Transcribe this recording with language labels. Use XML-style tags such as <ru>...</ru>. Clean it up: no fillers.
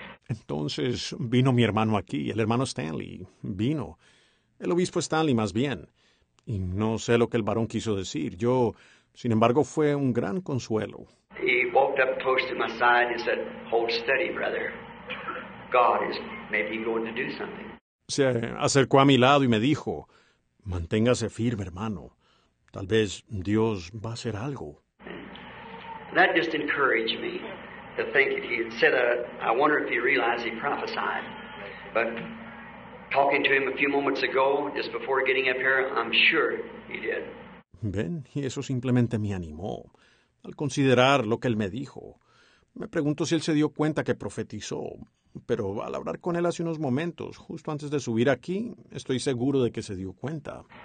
<es>Entonces vino mi hermano aquí, el hermano Stanley, vino, el obispo Stanley más bien, y no sé lo que el varón quiso decir, yo, sin embargo, fue un gran consuelo.</es> <en>He walked up close to my side and said, hold steady, brother, God is maybe going to do something.</en> <es>Se acercó a mi lado y me dijo, manténgase firme, hermano, tal vez Dios va a hacer algo.</es> <en>That just encouraged me to think if he had said, I wonder if he realized he prophesied. But talking to him a few moments ago, just before getting up here, I'm sure he did.</en> <es>Ben, y eso simplemente me animó. Al considerar lo que él me dijo, me pregunto si él se dio cuenta que profetizó. Pero al hablar con él hace unos momentos, justo antes de subir aquí, estoy seguro de que se dio cuenta.</es>